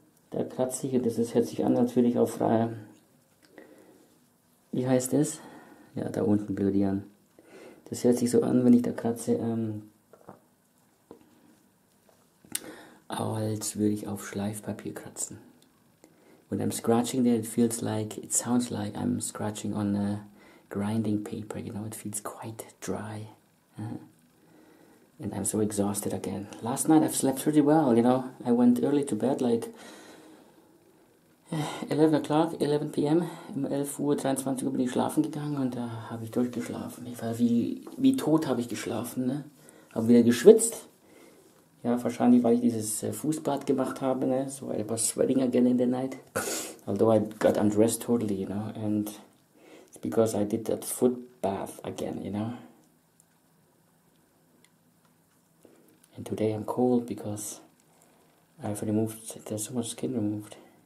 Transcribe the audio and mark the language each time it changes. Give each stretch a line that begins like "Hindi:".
German: Da kratze ich, und das hört sich an, natürlich auf freier. Wie heißt das? Ja, da unten blödieren. Das hört sich so an, wenn ich da kratze, als würde ich auf Schleifpapier kratzen.
English: When I'm scratching there, it sounds like I'm scratching on a grinding paper, you know, it feels quite dry. And I'm so exhausted again. Last night I've slept pretty well, you know. I went early to bed, like 11 o'clock, 11 p.m.
German: Um 11 Uhr 23 Uhr bin ich schlafen gegangen, und da habe ich durchgeschlafen. Ich war wie tot, habe ich geschlafen, ne? Habe wieder geschwitzt. Ja, wahrscheinlich, weil ich dieses Fußbad gemacht habe, ne?
English: So, I was sweating again in the night. Although I got undressed totally, you know. And it's because I did that foot bath again, you know. And today I'm cold because I've removed, there's so much skin removed.